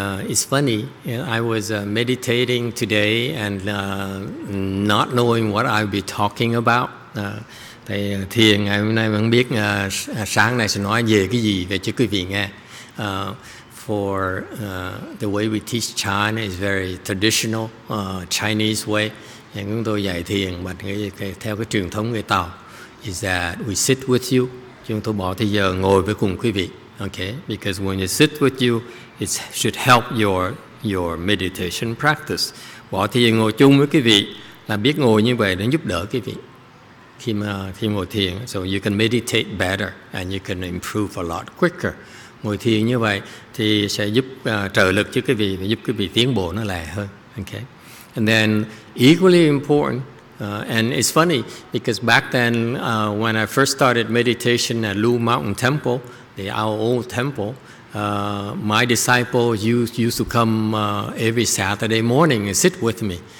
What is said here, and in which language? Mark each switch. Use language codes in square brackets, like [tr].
[en] It's funny, I was meditating today and not knowing what I'll be talking about. [vi] Thầy thiền ngày hôm nay vẫn biết sáng nay sẽ nói về cái gì về cho quý vị nghe. [en] For the way we teach Chan is very traditional Chinese way. [vi] And chúng tôi dạy thiền mà theo cái truyền thống người Tàu [en] is that we sit with you. [vi] Chúng tôi bỏ thời giờ ngồi với cùng quý vị. [en] Okay, because when you sit with you, it should help your meditation practice. [vi] Bỏ thời giờ ngồi chung với quý vị là biết ngồi như vậy để giúp đỡ quý vị khi ngồi thiền. [en] So you can meditate better and you can improve a lot quicker. [vi] Ngồi thiền như vậy thì sẽ giúp trợ lực cho quý vị và giúp quý vị tiến bộ nó lẹ hơn. [en] Okay. And then equally important, and it's funny because back then when I first started meditation at Lu Mountain Temple, the our old temple, my disciple used to come every Saturday morning and sit with me.